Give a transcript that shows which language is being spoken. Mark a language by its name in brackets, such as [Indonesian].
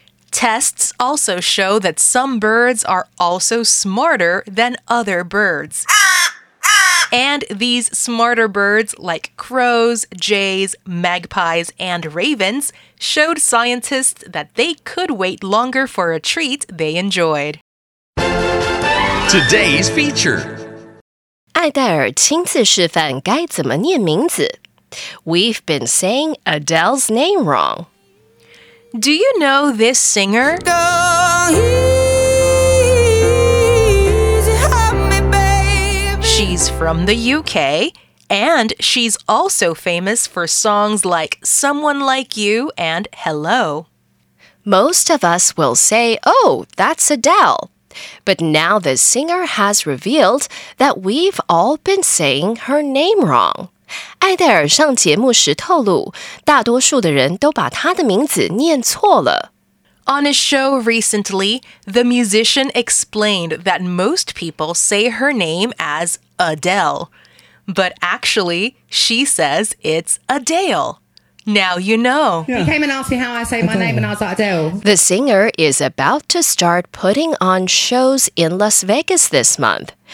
[English] Tests also show that some birds are also smarter than other birds. And these smarter birds, like crows, jays, magpies, and ravens, showed scientists that they could wait longer for a treat they enjoyed. Today's feature. [Chinese] 艾黛尔亲自示范该怎么念名字。 [English] We've been saying Adele's name wrong. Do you know this singer? Go easy on me, babe. She's from the UK, And she's also famous for songs like Someone Like You and Hello. Most of us will say, oh, that's Adele. But now the singer has revealed that we've all been saying her name wrong. [Chinese] 艾黛尔上节目时透露，大多数的人都把她的名字念错了。 [English] On a show recently, the musician explained that most people say her name as Adele. But actually, she says it's Adele. Now you know. Yeah. He came and asked me how I say my name, and I was like, Adele. The singer is about to start putting on shows in Las Vegas this month.